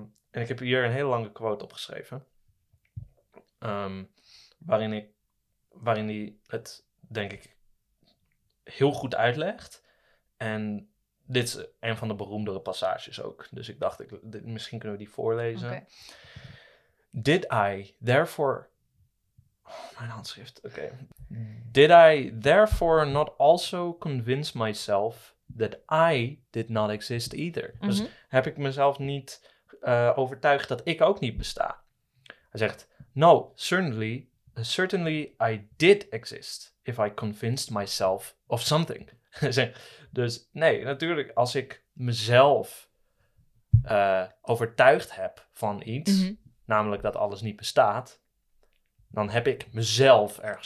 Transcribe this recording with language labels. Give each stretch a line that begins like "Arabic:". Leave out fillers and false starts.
Dutch: En ik heb hier een hele lange quote opgeschreven, waarin hij het, denk ik, heel goed uitlegt. En dit is een van de beroemdere passages ook. Dus ik dacht, misschien kunnen we die voorlezen. Okay.
English: Did I therefore...
Dutch: Oh, mijn handschrift, oké.
English: Did I therefore not also convince myself that I did not exist either? Mm-hmm.
Dutch: Dus heb ik mezelf niet overtuigd dat ik ook niet besta? Hij zegt,
English: no, certainly I did exist if I convinced myself of something.
Dutch: Dus nee, natuurlijk, als ik mezelf overtuigd heb van iets, namelijk dat alles niet bestaat, dan heb ik mezelf ergens